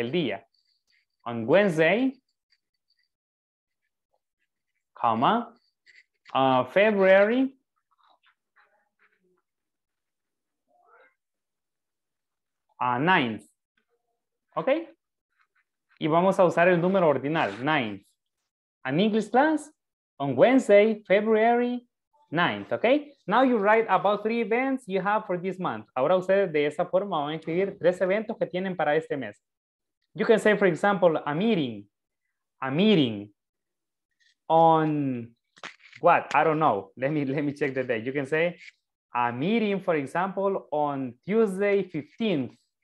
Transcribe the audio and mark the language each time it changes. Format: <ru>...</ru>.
<es>El día,</es> <en>on Wednesday, comma, February 9th, okay?</en> <es>Y vamos a usar el número ordinal,</es> <en>9th. An English class on Wednesday, February 9th, okay? Now you write about three events you have for this month.</en> <es>Ahora ustedes de esa forma van a escribir tres eventos que tienen para este mes.</es> <en>You can say, for example, a meeting, on what? I don't know. Let me check the date. You can say a meeting, for example, on Tuesday 15th.</en>